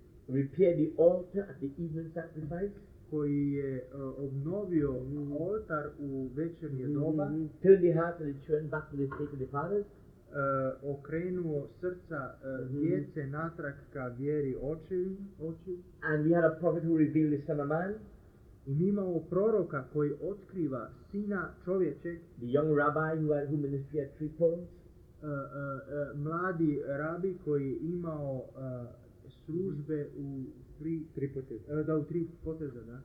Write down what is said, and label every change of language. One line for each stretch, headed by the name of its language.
English: repair the altar at the evening sacrifice,
Serbian: koji je obnovio oltar u večernje doba,
English: turn the heart of the children back to the state of the fathers,
Serbian: okrenuo srca djece natrag ka vjeri očevi,
English: and we had a prophet who revealed the Son of Man,
Serbian: i mi imamo proroka koji otkriva sina čovječeg,
English: the young rabbi who ministered at Tripoli,
Serbian: mladi rabi koji je imao službe u tri poteza, da,